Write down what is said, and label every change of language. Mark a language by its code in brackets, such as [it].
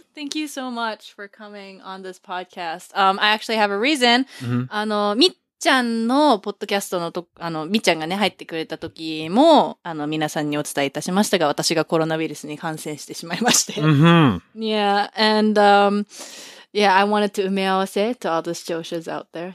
[en] Thank you so much for coming on this podcast. I actually have a reason. Mm-hmm. [ja] みっちゃんのポッドキャストのと、みっちゃんがね、入ってくれた時も、皆さんにお伝えいたしましたが、私がコロナウイルスに感染してしまいまして。 Mm-hmm. [en] Yeah, and, I wanted to [ja] 埋め合わせ [en] to all the [ja] 視聴者 [en] out there.